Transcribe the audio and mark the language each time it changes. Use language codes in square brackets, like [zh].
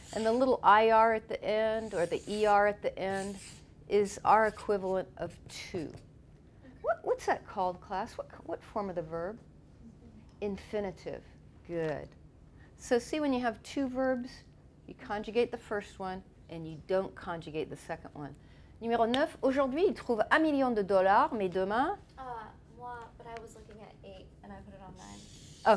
[en] And the little IR at the end or the ER at the end is our equivalent of to. Okay. What's that called, class? What form of the verb? Mm-hmm. Infinitive. Good. So see, when you have two verbs, you conjugate the first one and you don't conjugate the second one. [fr] Numéro 9, aujourd'hui, il trouve un million de dollars, mais demain... [en] But I was looking at 8 and I put it on 9.